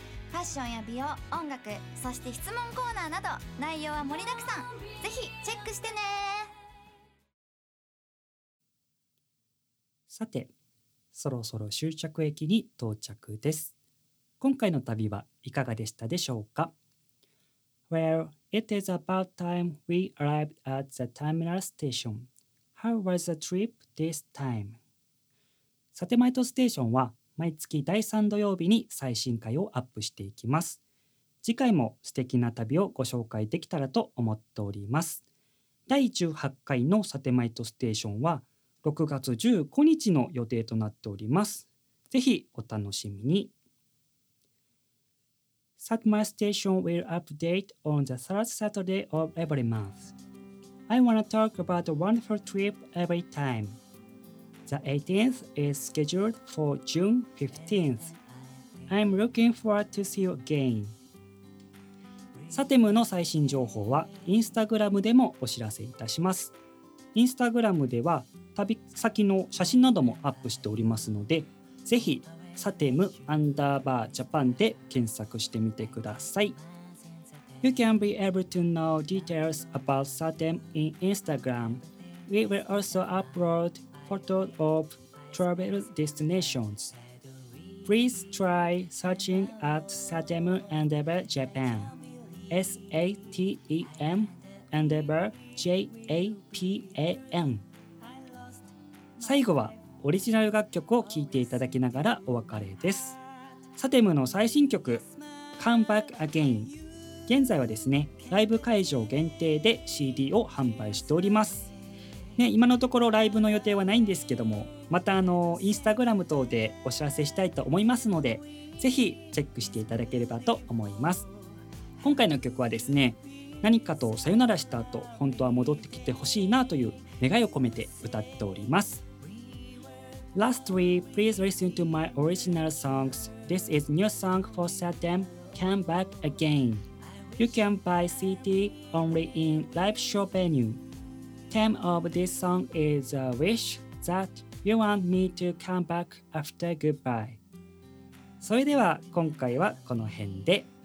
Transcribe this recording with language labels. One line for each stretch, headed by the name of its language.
Japanese: ファッションや美容、音楽、そして質問コーナーなど内容は盛りだくさん、ぜひチェックしてね。さて、そろそろ終着駅に到着です。今回の旅はいかがでしたでしょうか？
English: Well, it is about time we arrived at the terminal station. How was the trip this time?
Japanese: サテマイトステーションは毎月第3土曜日に最新回をアップしていきます。次回も素敵な旅をご紹介できたらと思っております。第18回のサテマイトステーションは6月15日の予定となっております。ぜひお楽しみに。
English: Satmar Station will update on the third Saturday of every month. I wanna talk about a wonderful trip every time. The 18th is scheduled for June 15th. I'm looking forward to see you again.
Japanese: サテムの最新情報は Instagram でもお知らせいたします。 Instagram では旅先の写真などもアップしておりますので、ぜひサテムアンダーバージャパンで検索してみてください。
English: You can be able to know details about Satem in Instagram. We will also upload photos of travel destinations. Please try searching at Satem Endeavor Japan. S-A-T-E-M Endeavor J-A-P-A-N。
Japanese: 最後はオリジナル楽曲を聴いていただきながらお別れです。サテムの最新曲 Come Back Again、 現在はですねライブ会場限定で CD を販売しております、ね、今のところライブの予定はないんですけども、またインスタグラム等でお知らせしたいと思いますので、ぜひチェックしていただければと思います。今回の曲はですね、何かとさよならした後本当は戻ってきてほしいなという願いを込めて歌っております。
English: Lastly, please listen to my original songs. This is new song for Satem, Come Back Again. You can buy CD only in live show venue. Theme of this song is a wish that you want me to come back after goodbye.
Japanese: それでは今回はこの辺で。